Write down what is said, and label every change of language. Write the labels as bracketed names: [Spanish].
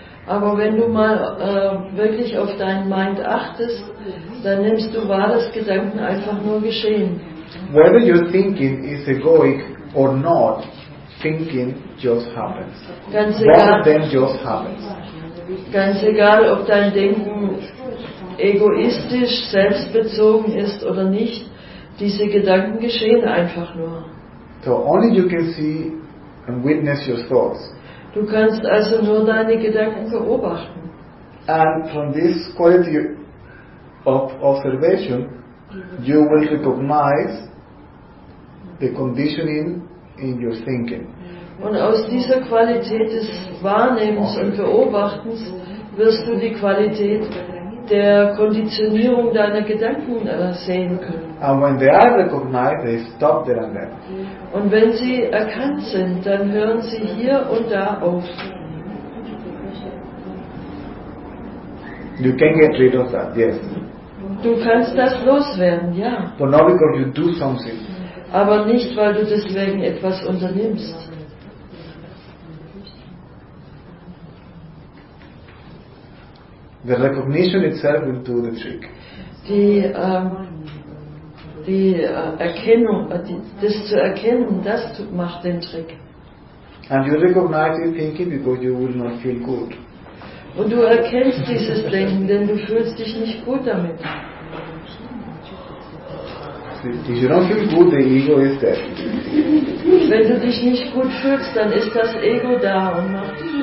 [German] Aber wenn du mal wirklich auf deinen Mind achtest, dann nimmst du wahr, dass Gedanken einfach nur geschehen. [English] Whether you're thinking is egoic or not, thinking just happens. [German] Ganz egal, [English] one of them just happens. [German] Ganz egal, ob dein Denken egoistisch, selbstbezogen ist oder nicht, diese Gedanken geschehen einfach nur. [English] So only you can see and witness your thoughts. [German] Du kannst also nur deine Gedanken beobachten. [English] And from this quality of observation, you will recognize the conditioning in your thinking. [German] Und aus dieser Qualität des Wahrnehmens und Beobachtens wirst du die Qualität der Konditionierung deiner Gedanken sehen können. [English] And when they are recognized, they stop there and then. [German] Und wenn sie erkannt sind, dann hören sie hier und da auf. [English] You can get rid of that, yes. [German] Du kannst das loswerden, ja. [English] But not because you do something. [German] Aber nicht, weil du deswegen etwas unternimmst. [English] The recognition itself will do the trick. [German] Die Erkennung, das zu erkennen, das macht den Trick. [English] And you recognize your thinking because you will not feel good. [German] Und du erkennst dieses Denken, denn du fühlst dich nicht gut damit. [English] If you don't feel good, the ego is there. [German] Wenn du dich nicht gut fühlst, dann ist das Ego da und macht.